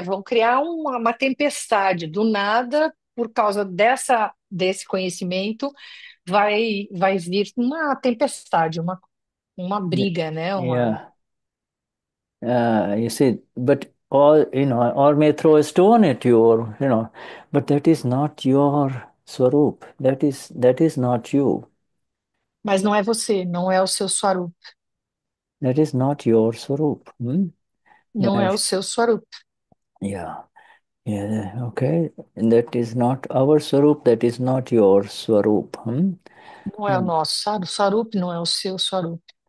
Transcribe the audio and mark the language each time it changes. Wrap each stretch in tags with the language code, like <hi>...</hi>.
<pt>Vão criar uma tempestade do nada por causa desse conhecimento, vai vir uma tempestade, uma briga, né?</pt> <en>You see, but all, you know, or may throw a stone at you, or, you know, but that is not your swarup. That is not you.</en> <pt>Mas não é você, não é o seu swarup.</pt> <en>That is not your swarup.</en> <pt>Não é o seu swarup.</pt> <en>Okay. That is not our swarup. That is not your swarup.</en> <pt>Não é o nosso swarup, não é o seu swarup.</pt>